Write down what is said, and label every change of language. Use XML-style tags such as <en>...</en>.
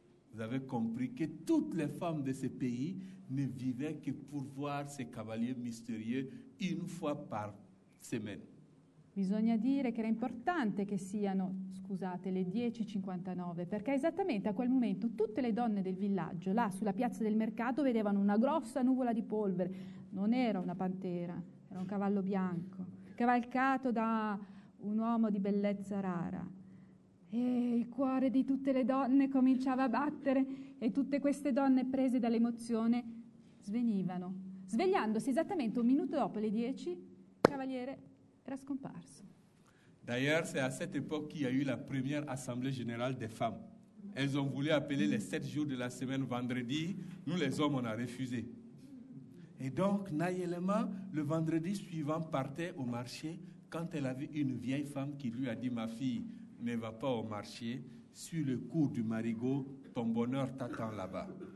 <fr>Vous avez compris que toutes les femmes de ce pays ne vivaient que pour voir ces cavaliers mystérieux une fois par semaine.</fr> <it>Bisogna dire che era importante che siano, scusate, le 10:59, perché esattamente a quel momento tutte le donne del villaggio, là sulla piazza del mercato, vedevano una grossa nuvola di polvere. Non era una pantera, era un cavallo bianco, cavalcato da un uomo di bellezza rara. E il cuore di tutte le donne cominciava a battere e tutte queste donne prese dall'emozione svenivano. Svegliandosi esattamente un minuto dopo le 10, il cavaliere era scomparso.</it> <fr>D'ailleurs, c'est à cette époque qu'il y a eu la première assemblée générale des femmes. Elles ont voulu appeler les 7 jours de la semaine vendredi, nous les hommes on a refusé. Et donc Nayelema, le vendredi suivant, partait au marché quand elle a vu une vieille femme qui lui a dit ma fille, ne va pas au marché, suis le cours du marigot, ton bonheur t'attend là-bas.</fr>